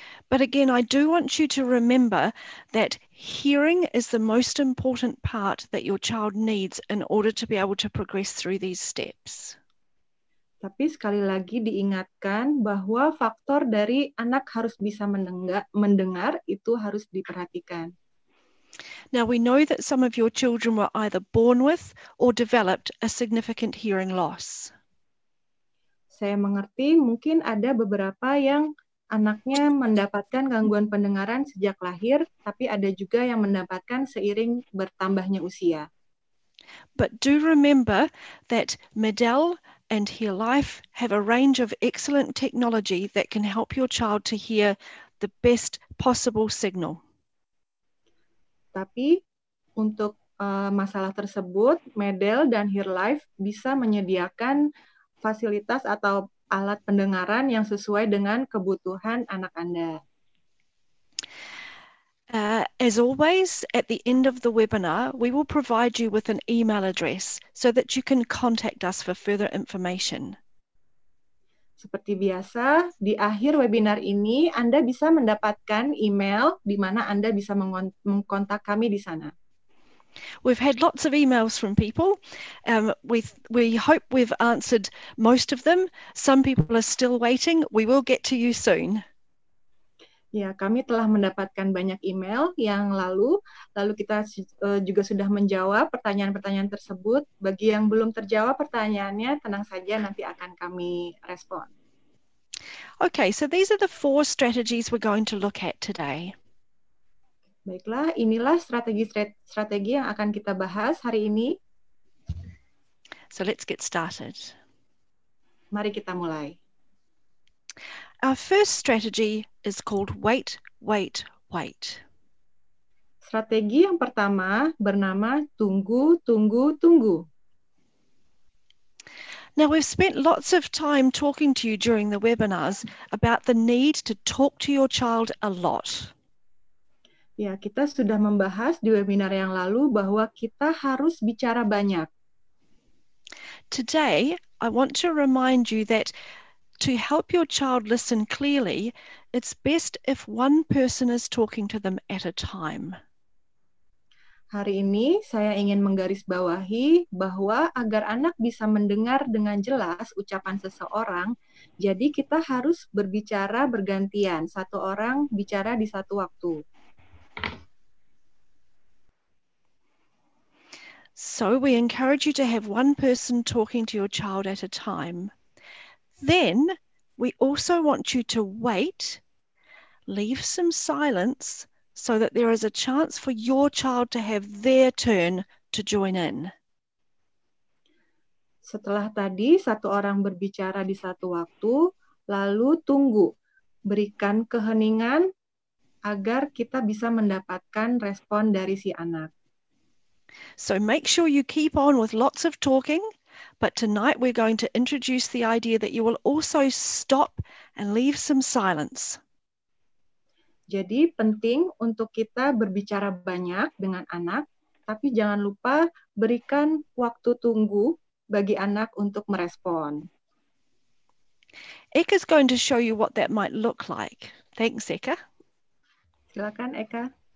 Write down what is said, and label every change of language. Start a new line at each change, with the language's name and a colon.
English: But again, I do want you to remember that hearing is the most important part that your child needs in order to be able to progress through these steps.
Indonesian: Tapi sekali lagi diingatkan bahwa faktor dari anak harus bisa mendengar itu harus diperhatikan.
English: Now we know that some of your children were either born with or developed a significant hearing loss.
Indonesian: Saya mengerti mungkin ada beberapa yang anaknya mendapatkan gangguan pendengaran sejak lahir, tapi ada juga yang mendapatkan seiring bertambahnya usia.
English: But do remember that Medell and HearLife have a range of excellent technology that can help your child to hear the best possible signal.
Indonesian: Tapi untuk masalah tersebut, Medell dan HearLife bisa menyediakan fasilitas atau alat pendengaran yang sesuai dengan kebutuhan anak Anda.
English: As always, at the end of the webinar, we will provide you with an email address so that you can contact us for further information.
Indonesian: Seperti biasa, di akhir webinar ini, Anda bisa mendapatkan email di mana Anda bisa mengkontak kami di sana.
English: We've had lots of emails from people. We hope we've answered most of them. Some people are still waiting. We will get to you soon.
Indonesian: Ya, kami telah mendapatkan banyak email yang lalu. Lalu kita juga sudah menjawab pertanyaan-pertanyaan tersebut. Bagi yang belum terjawab pertanyaannya, tenang saja, nanti akan kami respon.
English: Okay, so these are the four strategies we're going to look at today.
Indonesian: Baiklah, inilah strategi-strategi yang akan kita bahas hari ini.
English: So let's get started.
Indonesian: Mari kita mulai.
English: Our first strategy is called wait, wait, wait.
Indonesian: Strategi yang pertama bernama tunggu, tunggu, tunggu.
English: Now we've spent lots of time talking to you during the webinars about the need to talk to your child a lot.
Indonesian: Ya, kita sudah membahas di webinar yang lalu bahwa kita harus bicara banyak.
English: Today, I want to remind you that to help your child listen clearly, it's best if one person is talking to them at a time.
Indonesian: Hari ini, saya ingin menggarisbawahi bahwa agar anak bisa mendengar dengan jelas ucapan seseorang, jadi kita harus berbicara bergantian, satu orang bicara di satu waktu.
English: So we encourage you to have one person talking to your child at a time. Then we also want you to wait, leave some silence so that there is a chance for your child to have their turn to join in.
Indonesian: Setelah tadi satu orang berbicara di satu waktu, lalu tunggu, berikan keheningan agar kita bisa mendapatkan respon dari si anak.
English: So make sure you keep on with lots of talking, but tonight we're going to introduce the idea that you will also stop and leave some silence.
Indonesian: Jadi penting untuk kita berbicara banyak dengan anak, tapi jangan lupa berikan waktu tunggu bagi anak untuk merespon.
English: Eka is going to show you what that might look like. Thanks, Eka.
Indonesian: Silakan, Eka.